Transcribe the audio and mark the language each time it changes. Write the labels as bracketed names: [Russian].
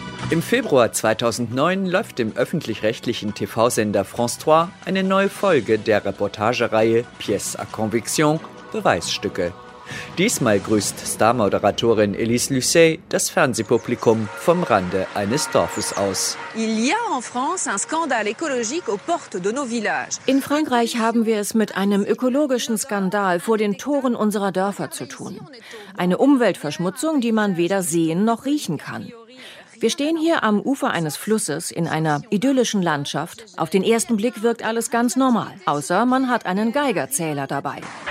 [German] Im Februar 2009 läuft im öffentlich-rechtlichen TV-Sender France 3 eine neue Folge der Reportagereihe Pièce à conviction, Beweisstücke. Diesmal grüßt Star-Moderatorin Elise Lucet das Fernsehpublikum vom Rande eines Dorfes aus. [French] Il y a en France un scandale écologique aux portes de nos villages. [German] In Frankreich haben wir es mit einem ökologischen Skandal vor den Toren unserer Dörfer zu tun. Eine Umweltverschmutzung, die man weder sehen noch riechen kann. Wir stehen hier am Ufer eines Flusses in einer idyllischen Landschaft. Auf den ersten Blick wirkt alles ganz normal, außer man hat einen Geigerzähler dabei.